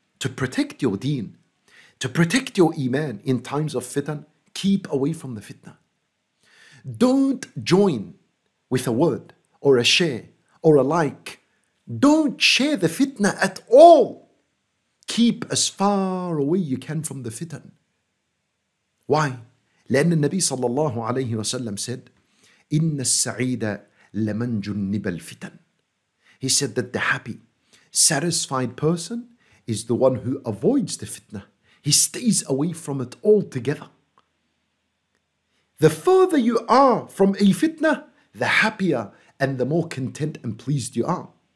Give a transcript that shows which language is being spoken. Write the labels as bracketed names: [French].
[English] To protect your deen, to protect your iman in times of fitan, keep away from the fitna. Don't join with a word or a share or a like. Don't share the fitna at all. Keep as far away you can from the fitan. Why? [Arabic] لأن النبي صلى الله عليه وسلم [English] said, [Arabic] إن السعيد لمن جنب الفتن. [English] He said that the happy, satisfied person is the one who avoids the fitna. He stays away from it altogether. The further you are from a fitna, the happier and the more content and pleased you are.